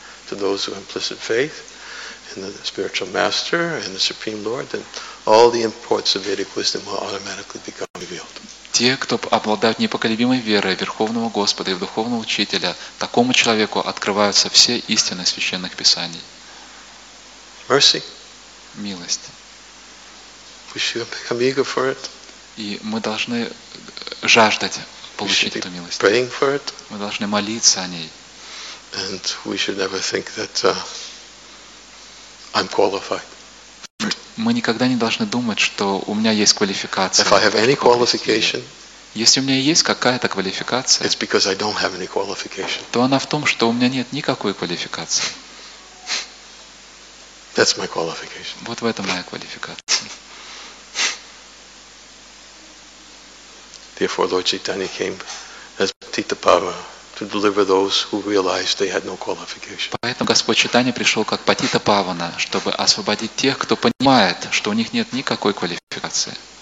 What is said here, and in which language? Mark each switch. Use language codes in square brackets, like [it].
[en] To those who have implicit faith in the spiritual master and the supreme lord, then all the imports of Vedic wisdom will automatically become revealed. [ru] Те, кто обладают непоколебимой верой Верховного Господа и Духовного Учителя, такому человеку открываются все истины священных писаний. [en] Mercy. [ru] Милость. [en] We should become eager for it. [ru] И мы должны жаждать получить эту милость. [en] Praying for it. [ru] Мы должны молиться о ней. [en] And we should never think that I'm qualified. [ru] Мы никогда не должны думать, что у меня есть квалификация. [en] If I have any qualification. [ru] Если у меня есть какая-то квалификация. [en] It's because I don't have any qualification. [ru] То она в том, что у меня нет никакой квалификации. [en] That's my qualification. [ru] Вот в этом моя квалификация. [en] Therefore, Lord Chaitanya came as Tita Pava to deliver those who realized they had no qualification. [ru] Поэтому Господь Чайтанья пришел как Патита Павана, чтобы освободить тех, кто понимает, что у них нет никакой квалификации.